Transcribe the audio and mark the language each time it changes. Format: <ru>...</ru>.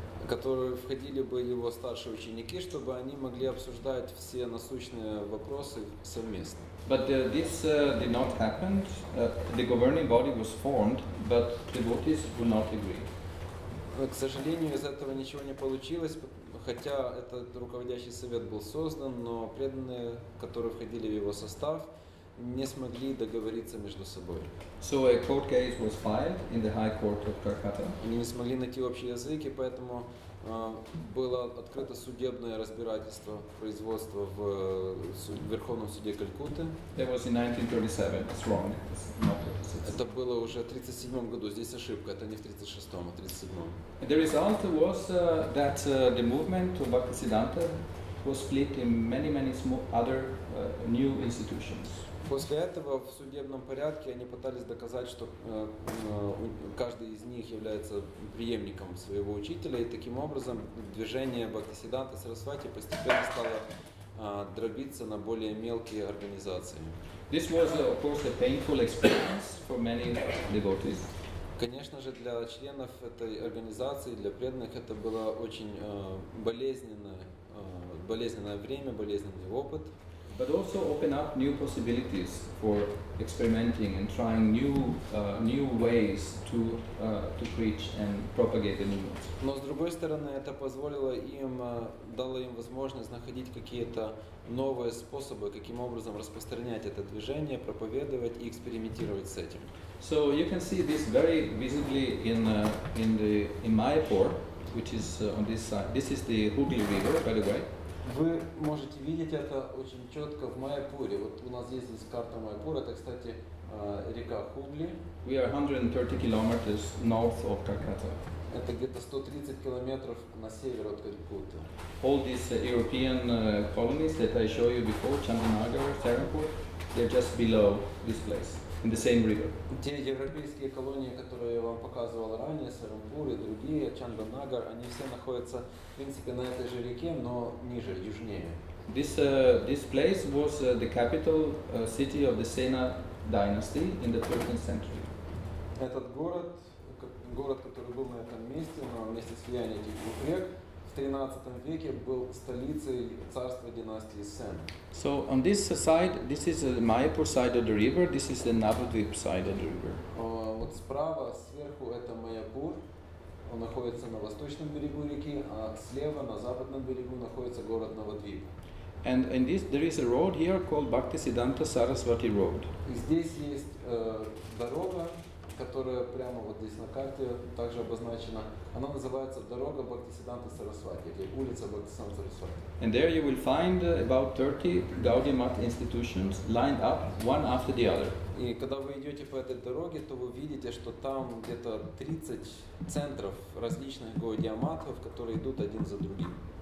<ru>Которые входили бы его старшие ученики, чтобы они могли обсуждать все насущные вопросы совместно.</ru> <en>But this did not happen. The governing body was formed, but devotees would not agree.</en> <ru>К сожалению, из этого ничего не получилось. Хотя этот руководящий совет был создан, но преданные, которые входили в его состав, не смогли договориться между собой.</ru> <en>So a court case was filed in the High Court of Calcutta.</en> <ru>Они не смогли найти общий язык, и поэтому было открыто судебное разбирательство, производство в Верховном суде Калькутты.</ru> <en>That was in 1937. It's wrong. It's not 36.</en> <ru>Это было уже в 37 году. Здесь ошибка. Это не в 36, а в 37.</ru> <en>The result was that the movement of Bhaktisiddhanta was split in many, many small other new institutions.</en> <ru>После этого в судебном порядке они пытались доказать, что каждый из них является преемником своего учителя, и таким образом движение Бхактисиддханта Сарасвати постепенно стало дробиться на более мелкие организации.</ru> <en>This was, of course, a painful experience for many devotees.</en> <ru>Конечно же, для членов этой организации, для преданных, это было очень болезненное время, болезненный опыт.</ru> <en>But also open up new possibilities for experimenting and trying new ways to preach and propagate the movement.</en> <ru>Но с другой стороны, это позволило им, дало им возможность находить какие-то новые способы, каким образом распространять это движение, проповедовать и экспериментировать с этим.</ru> <en>So you can see this very visibly in Mayapur, which is on this side. This is the Hooghly River, by the way.</en> <ru>Вы можете видеть это очень четко в Майяпуре. Вот у нас есть здесь карта Майяпура. Это, кстати, река Хугли.</ru> <en>We are 130 kilometers north of Calcutta.</en> <ru>Это где-то 130 километров на север от Калькутты.</ru> <en>All these European colonies that I showed you before, Chandanagar, Serampore, they're just below this place, in the same river.</en> <ru>Те европейские колонии, которые я вам показывал ранее, Серампур и другие, Чанданагар, они все находятся, в принципе, на этой же реке, но ниже, южнее.</ru> <en>This place was the capital city of the Sena dynasty in the 13th century.</en> <ru>Этот город, который был на этом месте, но вместе с влиянием этих двух рек, в 13 веке был столицей царства династии Сен.</ru> <en>So on this side, this is the Mayapur side of the river, this is the Navadvip side of the river.</en> <ru>Вот справа, сверху, это Майяпур, он находится на восточном берегу реки, а слева, на западном берегу, находится город Навадвип.</ru> <en>And in this, there is a road here called Bhaktisiddhanta Sarasvati Road.</en> <ru>И здесь есть дорога, которая прямо вот здесь на карте также обозначена. Она называется дорога Бхактисиддханта Сарасвати, или улица Бхактисиддханта Сарасвати.</ru> <en>And there you will find about 30 Gaudiya Math institutions lined up one after the other.</en> <ru>И когда вы идете по этой дороге, то вы видите, что там где-то 30 центров различных Gaudiya Mathов, которые идут один за другим.</ru>